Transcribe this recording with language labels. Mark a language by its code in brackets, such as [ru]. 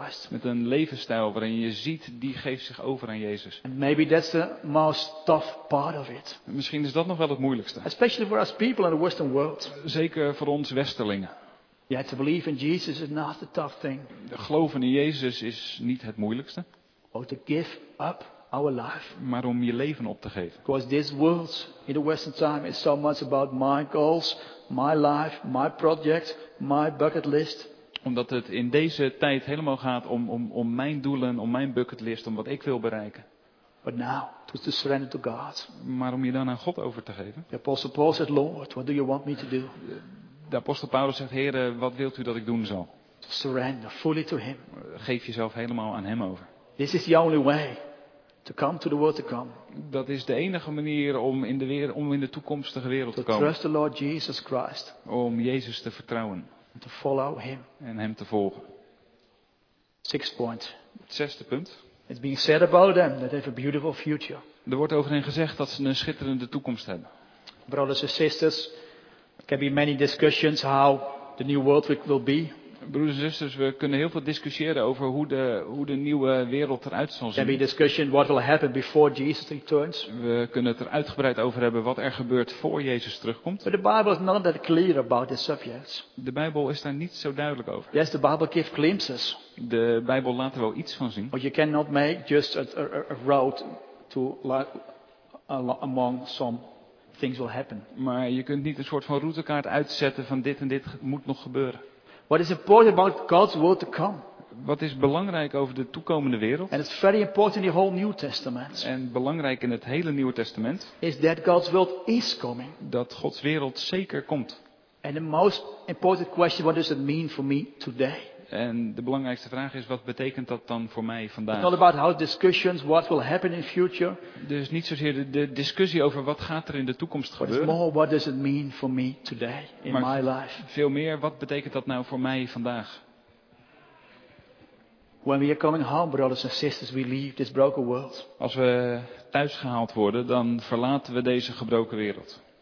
[nl] Met een levensstijl waarin je ziet, die geeft zich over aan Jezus. [en] And maybe that's the most tough part of it. [nl] Misschien is dat nog wel het moeilijkste. [en] Especially for us people in the Western world. [nl] Zeker voor ons westerlingen. [en] Yeah, to believe in Jesus is not the tough thing. [nl] Geloven in Jezus is niet het moeilijkste. [en] Or to give up our life. [nl] Maar om je leven op te geven. [en] Because this world in the Western time is so much about my goals, my life, my project, my bucket list. [nl] Omdat het in deze tijd helemaal gaat om mijn doelen, om mijn bucketlist, om wat ik wil bereiken. [en] But now, to surrender to God. [nl] Maar om je dan aan God over te geven. [en] The Apostle Paul said, Lord, what do you want me to do? [nl] De apostel Paulus zegt, Heere, wat wilt u dat ik doen zal? [en] To surrender fully to him. [nl] Geef jezelf helemaal aan hem over. [en] This is the only way to come to the world to come. [nl] Dat is de enige manier om in de toekomstige wereld te komen. [en] To trust the Lord Jesus Christ. [nl] Om Jezus te vertrouwen. [en] To follow him. [nl] En hem te volgen. [en] Sixth point. [nl] Het zesde punt. [en] It's being said about them that they have a beautiful future. [nl] Er wordt over hen gezegd dat ze een schitterende toekomst hebben. [en] Brothers and sisters, there can be many discussions how the new world will be. [nl] Broers en zusters, we kunnen heel veel discussiëren over hoe de nieuwe wereld eruit zal zien. [en] Can be discussion what will happen before Jesus returns. [nl] We kunnen het er uitgebreid over hebben wat er gebeurt voor Jezus terugkomt. [en] But the Bible is not that clear about this subject. [nl] De Bijbel is daar niet zo duidelijk over. [en] Yes, the Bible gives glimpses. [nl] De Bijbel laat er wel iets van zien. [en] But you cannot make just a road to among some. Things will happen. [nl] Maar je kunt niet een soort van routekaart uitzetten van dit en dit moet nog gebeuren. [en] What is important about God's world to come? [nl] Wat is belangrijk over de toekomende wereld? [en] And it's very important in the whole New Testament. [nl] En belangrijk in het hele Nieuwe Testament. [en] Is that God's world is coming. [nl] Dat Gods wereld zeker komt. [en] And the most important question, what does it mean for me today? [nl] En de belangrijkste vraag is, wat betekent dat dan voor mij vandaag? [en] It's not about how discussions, what will happen in future. [nl] Dus niet zozeer de discussie over wat gaat er in de toekomst gebeuren. [en] But it's more, what does it mean for me today in [nl] maar [en] my life? [nl] Veel meer, wat betekent dat nou voor mij vandaag? [en] When we are coming home, brothers and sisters, we leave this broken world. [nl] Als we thuisgehaald worden, dan verlaten we deze gebroken wereld.